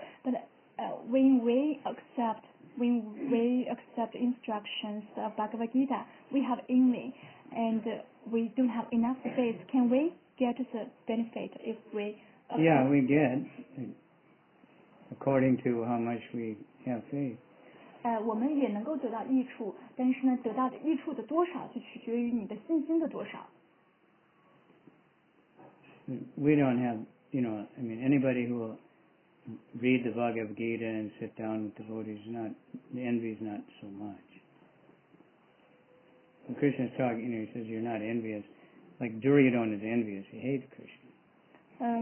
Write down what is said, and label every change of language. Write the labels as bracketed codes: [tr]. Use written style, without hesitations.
[en] But when we accept instructions of Bhagavad Gita, we have envy and we don't have enough faith. Can we get the benefit if we accept? Yeah, we get according to how much we have faith. [zh] 我们也能够得到益处，但是呢，得到的益处的多少就取决于你的信心的多少。 [en] We don't have, you know, I mean, anybody who read the Bhagavad Gita and sit down with devotees, the envy is not so much. When Krishna's talking, you know, he says you're not envious. Like Duryodhana is envious. He hates Krishna.